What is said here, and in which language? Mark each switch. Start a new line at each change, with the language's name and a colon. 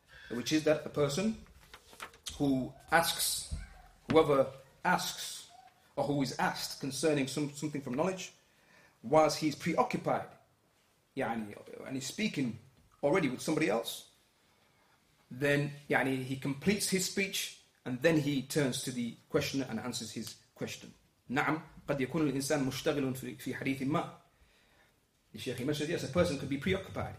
English: Which is that a person who asks, whoever asks, or who is asked concerning something from knowledge, whilst he's preoccupied, يعني, and he's speaking already with somebody else, then يعني, he completes his speech and then he turns to the questioner and answers his question.
Arabic: نعم قد يكون الإنسان مشتغل في حديث ما.
English: The Shaykh mentioned, yes, a person could be preoccupied.